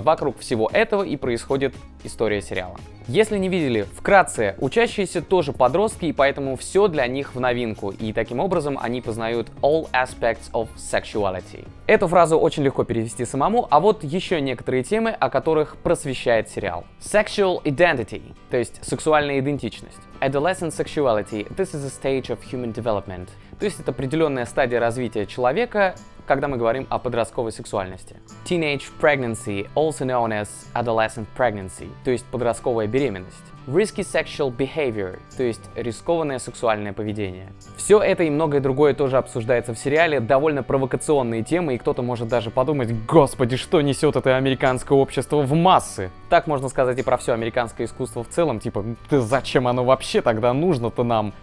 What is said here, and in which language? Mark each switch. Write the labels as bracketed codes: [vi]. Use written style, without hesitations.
[ru] Вокруг всего этого и происходит история сериала. Если не видели, вкратце, учащиеся тоже подростки, и поэтому все для них в новинку. И таким образом они познают [en] all aspects of sexuality. [ru] Эту фразу очень легко перевести самому, а вот еще некоторые темы, о которых просвещает сериал. [en] Sexual identity, [ru] то есть сексуальная идентичность. [en] Adolescent sexuality, this is a stage of human development. [ru] То есть это определенная стадия развития человека, когда мы говорим о подростковой сексуальности. [en] Teenage pregnancy, also known as adolescent pregnancy, [ru] то есть подростковая беременность. [en] Risky sexual behavior, [ru] то есть рискованное сексуальное поведение. Все это и многое другое тоже обсуждается в сериале, довольно провокационные темы, и кто-то может даже подумать, господи, что несет это американское общество в массы? Так можно сказать и про все американское искусство в целом, типа, да зачем оно вообще тогда нужно-то нам?